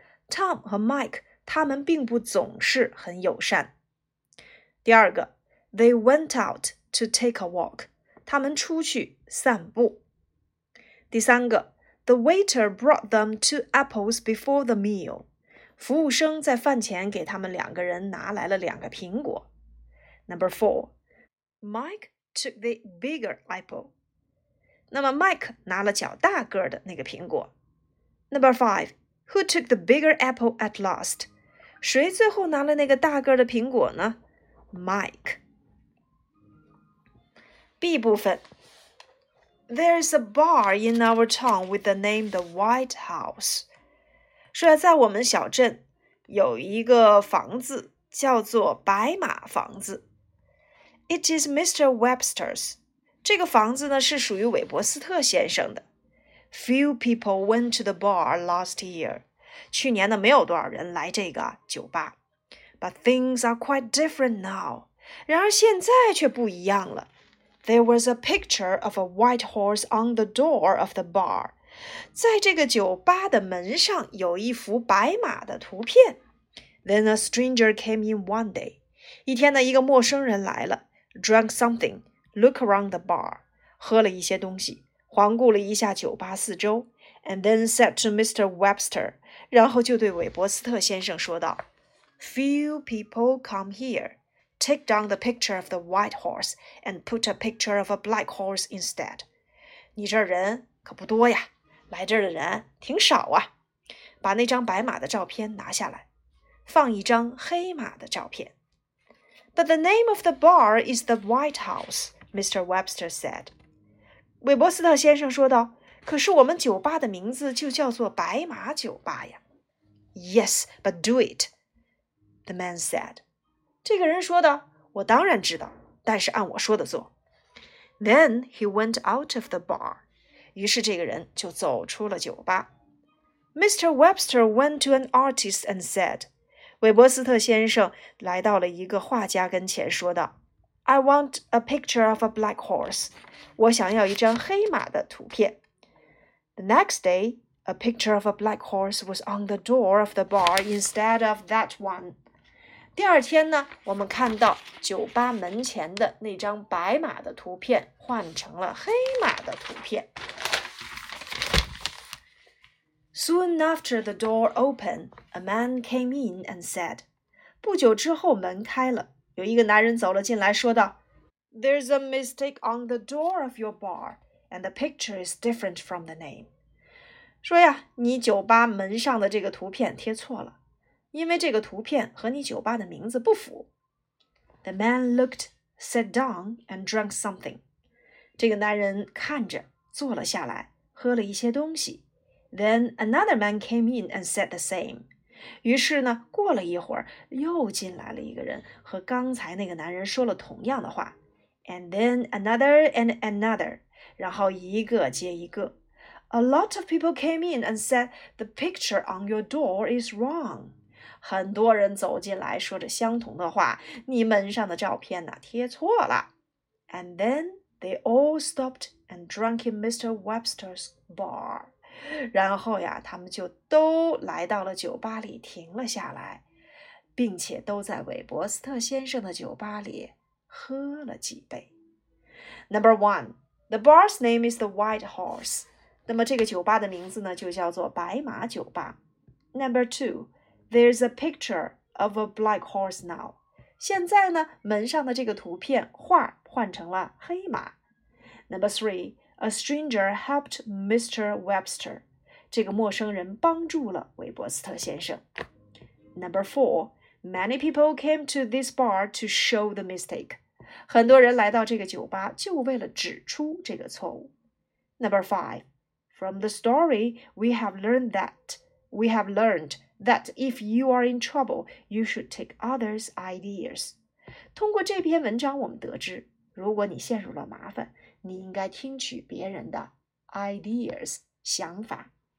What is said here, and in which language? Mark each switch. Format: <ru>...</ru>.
<zh>Tom 和 Mike 他们并不总是很友善。第二个，</zh> <en>They went out to take a walk.</en> <zh>他们出去散步。第三个，</zh> <en>The waiter brought them two apples before the meal.</en> <zh>服务生在饭前给他们两个人拿来了两个苹果。</zh> <en>Number four, Mike took the bigger apple.</en> <zh>那么 Mike 拿了较大个的那个苹果。</zh> <en>Number five, who took the bigger apple at last?</en> <zh>谁最后拿了那个大个的苹果呢？</zh> <en>Mike.</en> <zh>B 部分，</zh> <en>There's a bar in our town with the name The White House.</en> <zh>说在我们小镇有一个房子叫做白马房子。</zh> <en>It is Mr. Webster's.</en> <zh>这个房子呢是属于韦伯斯特先生的。</zh> <en>Few people went to the bar last year.</en> <zh>去年呢没有多少人来这个酒吧。</zh> <en>But things are quite different now.</en> <zh>然而现在却不一样了。</zh> <en>There was a picture of a white horse on the door of the bar.</en> <zh>在这个酒吧的门上有一幅白马的图片。</zh> <en>Then a stranger came in one day.</en> <zh>一天呢，一个陌生人来了，</zh> <en>drank something, looked around the bar,</en> <zh>喝了一些东西，环顾了一下酒吧四周，</zh> <en>and then said to Mr. Webster,</en> <zh>然后就对韦伯斯特先生说道，</zh> <en>Few people come here. Take down the picture of the white horse and put a picture of a black horse instead.</en> <zh>你这人可不多呀，来这儿的人挺少啊。把那张白马的照片拿下来，放一张黑马的照片。</zh> <en>But the name of the bar is the White House, Mr. Webster said.</en> <zh>韦伯斯特先生说道，可是我们酒吧的名字就叫做白马酒吧呀。</zh> <en>Yes, but do it, the man said.</en> <zh>这个人说的，我当然知道，但是按我说的做。</zh> <en>Then he went out of the bar.</en> <zh>于是这个人就走出了酒吧。</zh> <en>Mr. Webster went to an artist and said,</en> <zh>韦伯斯特先生来到了一个画家跟前说道，</zh> <en>I want a picture of a black horse.</en> <zh>我想要一张黑马的图片。</zh> <en>The next day, a picture of a black horse was on the door of the bar instead of that one.</en> <zh>第二天呢，我们看到酒吧门前的那张白马的图片换成了黑马的图片。</zh> <en>Soon after the door opened, a man came in and said,</en> <zh>不久之后门开了，有一个男人走了进来说道，</zh> <en>There's a mistake on the door of your bar, and the picture is different from the name.</en> <zh>说呀，你酒吧门上的这个图片贴错了。因为这个图片和你酒吧的名字不符。</zh> <en>The man looked, sat down, and drank something.</en> <zh>这个男人看着，坐了下来，喝了一些东西。</zh> <en>Then another man came in and said the same.</en> <zh>于是呢，过了一会儿，又进来了一个人，和刚才那个男人说了同样的话。</zh> <en>And then another and another.</en> <zh>然后一个接一个。</zh> <en>A lot of people came in and said, the picture on your door is wrong.</en> <zh>很多人走进来说着相同的话，你门上的照片呢贴错了。</zh> <en>And then they all stopped and drank in Mr. Webster's bar.</en> <zh>然后呀，他们就都来到了酒吧里停了下来，并且都在韦伯斯特先生的酒吧里喝了几杯。</zh> <en>Number one, the bar's name is the White Horse.</en> <zh>那么这个酒吧的名字呢就叫做白马酒吧。</zh> <en>Number two,There's a picture of a black horse now.</en> <zh>现在呢，门上的这个图片画换成了黑马。</zh> <en>Number three, a stranger helped Mr. Webster.</en> <zh>这个陌生人帮助了韦伯斯特先生。</zh> <en>Number four, many people came to this bar to show the mistake.</en> <zh>很多人来到这个酒吧就为了指出这个错误。</zh> <en>Number five, from the story, we have learned that if you are in trouble, you should take others' ideas.</en> <zh>通过这篇文章我们得知，如果你陷入了麻烦，你应该听取别人的 ideas, 想法。</zh>